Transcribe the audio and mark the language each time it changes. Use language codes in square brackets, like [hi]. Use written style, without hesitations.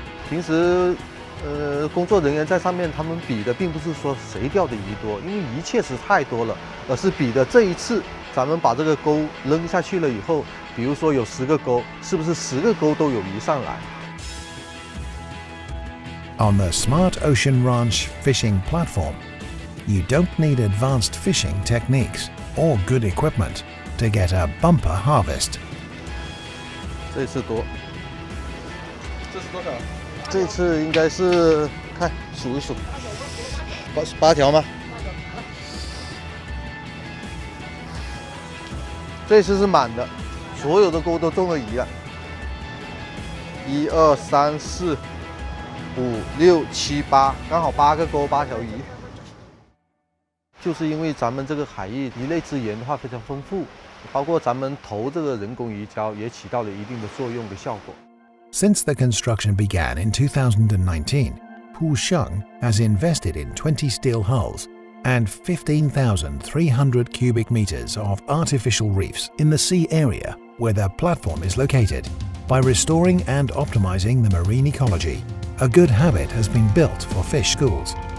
[zh] 平时工作人员在上面，他们比的并不是说谁钓的鱼多，因为鱼确实太多了，而是比的这一次咱们把这个钩扔下去了以后，比如说有十个钩，是不是十个钩都有鱼上来。 [en] On the Smart Ocean Ranch fishing platform, you don't need advanced fishing techniques or good equipment to get a bumper harvest. [zh] 这次多，这是多少？这次应该是，看，数一数，八条吗？这次是满的，所有的钩都中了鱼了。一二三四五六七八，刚好八个钩，八条鱼。就是因为咱们这个海域鱼类资源的话非常丰富，包括咱们投这个人工鱼礁也起到了一定的作用的效果。 [en] Since the construction began in 2019, Pu Sheng has invested in 20 steel hulls and 15,300 cubic meters of artificial reefs in the sea area where the platform is located. By restoring and optimizing the marine ecology, a good habit has been built for fish schools.